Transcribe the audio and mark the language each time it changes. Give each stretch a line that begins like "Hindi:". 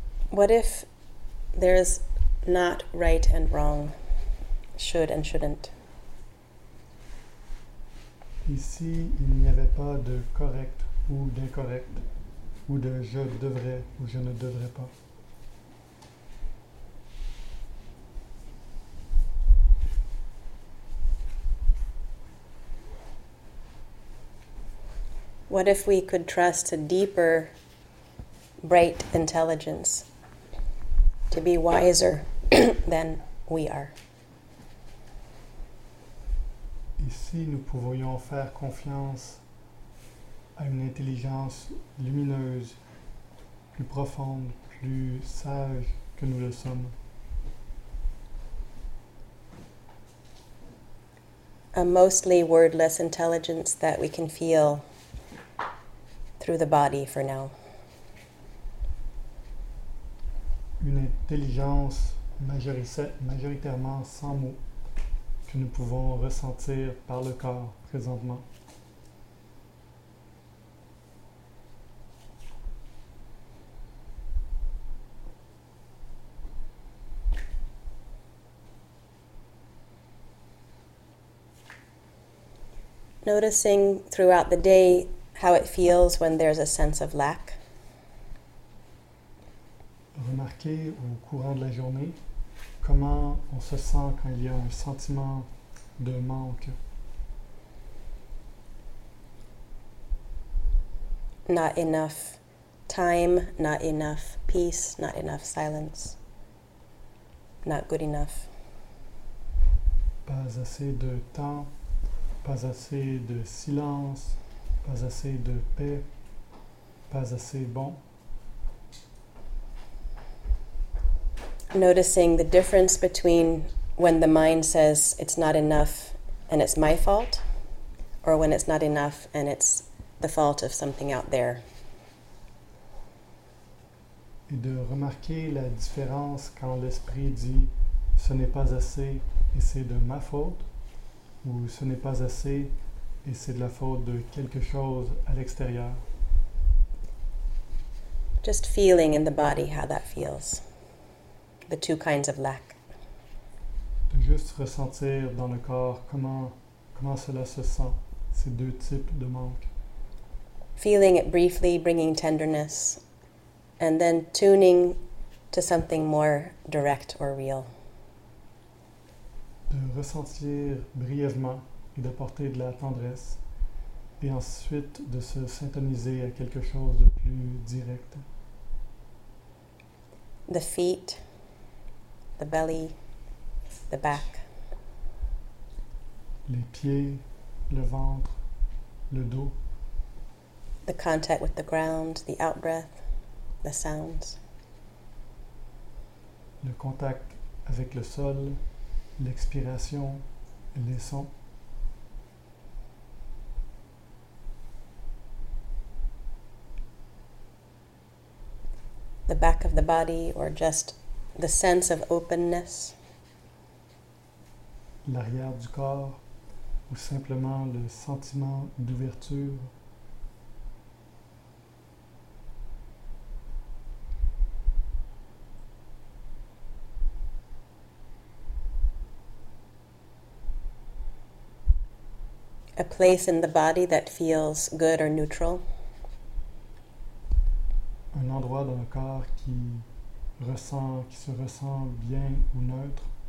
English: What if there is not right and wrong, should and shouldn't?
French: Ici, il n'y avait pas de correct ou d'incorrect, ou de je devrais ou je ne devrais pas.
English: What if we could trust a deeper, bright intelligence? To be wiser than we are.
French: Ici, nous pouvions faire confiance à une intelligence lumineuse, plus profonde, plus sage que nous le sommes.
English: A mostly wordless intelligence that we can feel through the body for now.
French: Une intelligence majoritairement sans mots que nous pouvons ressentir par le corps présentement.
English: Noticing throughout the day how it feels when there's a sense of lack.
French: Remarquez au courant de la journée comment on se sent quand il y a un sentiment de manque.
English: Not enough time, not enough peace, not enough silence. Not good enough.
French: Pas assez de temps. Pas assez de silence, pas assez de paix, pas assez bon.
English: Noticing the difference between when the mind says it's not enough and it's my fault, or when it's not enough and it's the fault of something out there.
French: Et de remarquer la différence quand l'esprit dit ce n'est pas assez et c'est de ma faute. Ou ce n'est pas assez et c'est de la faute de quelque chose à l'extérieur.
English: Just feeling in the body how that feels. The two kinds of lack.
French: De juste ressentir dans le corps comment cela se sent, ces deux types de manque.
English: Feeling it briefly, bringing tenderness, and then tuning to something more direct or real.
French: De ressentir brièvement et d'apporter de la tendresse et ensuite de se syntoniser à quelque chose de plus direct.
English: The feet, the belly, the back.
French: Les pieds, le ventre, le dos.
English: The contact with the ground, the out-breath, the sounds.
French: Le contact avec le sol. L'expiration, les sons.
English: The back of the body, or just the sense of openness.
French: L'arrière du corps, ou simplement le sentiment d'ouverture.
English: A place in the body that feels good or neutral.
French: Un endroit dans le corps qui se ressent bien ou neutre.